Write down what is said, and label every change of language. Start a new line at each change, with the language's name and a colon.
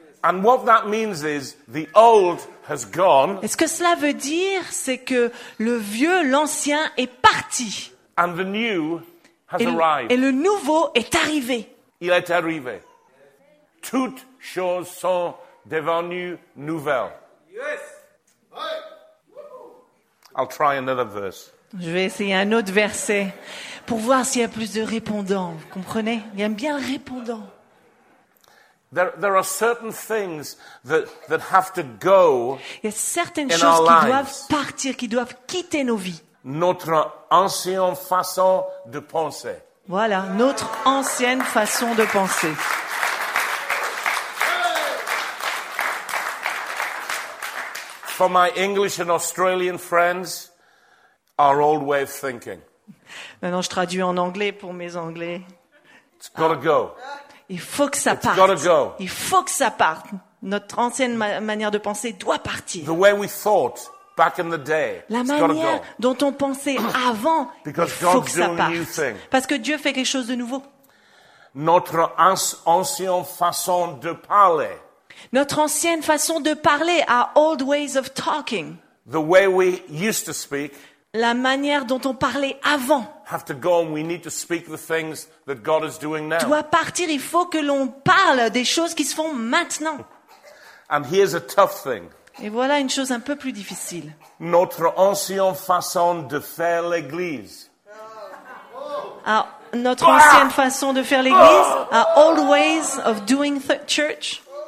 English: And what that means is the old has gone.
French: Et ce que cela veut dire, c'est que le vieux, l'ancien est parti.
English: And the new has arrived.
French: Et le nouveau est arrivé. Il est arrivé. Toutes choses sont devenues nouvelles.
English: Yes. I'll try another verse.
French: Je vais essayer un autre verset pour voir s'il y a plus de répondants. Vous comprenez? Il y a bien le répondant.
English: There are certain things that have to go.
French: Il y a certaines choses qui doivent partir, qui doivent quitter nos vies. Notre ancienne façon de penser. Voilà, notre ancienne façon de penser.
English: For my English and Australian friends, our old way of thinking.
French: Maintenant, je traduis en anglais pour mes Anglais.
English: It's gotta go.
French: Il faut que ça
English: It's
French: parte.
English: Gotta go.
French: Il faut que ça parte. Notre ancienne manière de penser doit partir.
English: The way we thought back in the day,
French: la manière dont on pensait avant,
English: Because
French: il faut
English: God's
French: que ça parte.
English: A new thing.
French: Parce que Dieu fait quelque chose de nouveau. Notre ancienne façon de parler. Notre ancienne façon de parler,
English: our old ways of talking. The way we used to speak.
French: La manière dont on parlait avant.
English: Have to go and we need to speak the things that God is doing now.
French: Doit partir, il faut que l'on parle des choses qui se font maintenant.
English: And here's a tough thing.
French: Et voilà une chose un peu plus difficile. Notre ancienne façon de faire l'église. Alors, notre ancienne façon de faire l'église,
English: our old ways of doing church.